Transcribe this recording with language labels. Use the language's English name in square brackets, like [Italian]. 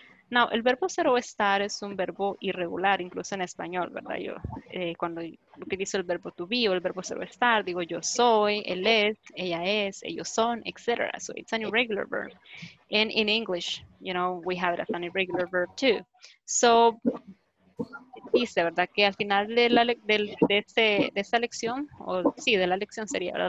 [Spanish] Now, el verbo ser o estar es un verbo irregular, incluso en español, ¿verdad? Yo, cuando utilizo el verbo to be o el verbo ser o estar, digo yo soy, él es, ella es, ellos son, etc. [English] So it's an irregular verb. And in English, you know, we have it as an irregular verb too. [Spanish] So, dice, ¿verdad? Que al final de esta lección, o sí, de la lección sería, ¿verdad?